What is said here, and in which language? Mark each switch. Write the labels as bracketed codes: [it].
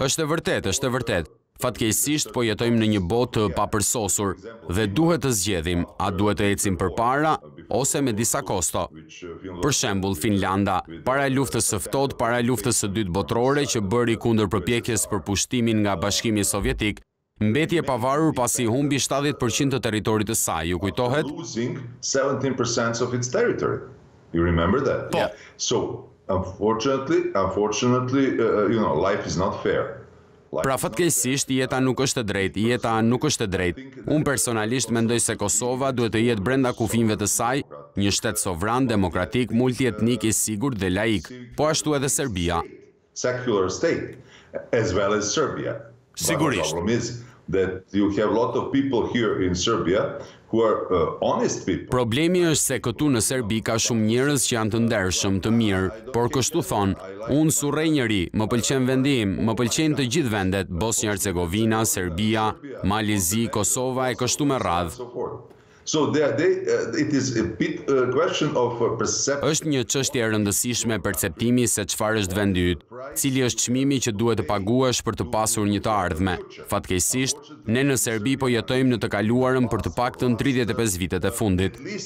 [sq] Është vërtet, është vërtet. Fatkeqësisht po jetojmë në një botë të papërsosur dhe duhet të zgjedhim, a duhet të ecim përpara ose me disa kosto. Për shembull, Finlanda, para luftës së ftohtë, para luftës së dytë botërore që bëri kundërpërpjekjes për pushtimin nga Bashkimi Sovjetik, mbeti e pavarur pasi humbi 70% të territorit të saj, ju kujtohet? Po. [en] So, unfortunately, you know, life is not fair. [sq] Pra fatkeqësisht, jeta nuk është e drejtë, jeta nuk është e drejtë. Unë personalisht mendoj se Kosova duhet të jetë brenda kufijve të saj, një shtet sovran, demokratik, multietnik, i sigurt dhe laik, po ashtu edhe Serbia. [en] Secular state, as well as Serbia. [sq] Sigurisht. [en] The problem is that you have a lot of people here in Serbia who are honest people. [sq] Problemi është se këtu në Serbi ka shumë njerëz që janë të ndershëm, të mirë, por kështu thonë, unë surrej njëri, më pëlqen vendi im, më pëlqen të gjithë vendet, Bosnjë-Hercegovina, Serbia, Malizi, Kosova e kështu me radhë. [en] So they it is a bit question of perception. [sq] Është një çështje e rëndësishme perceptimi se çfarë është vendi yt, cili është çmimi që duhet të paguash për të pasur një të ardhme. Fatkeqësisht, ne në Serbi po jetojmë në të kaluarën për të paktën 35 vitet e fundit.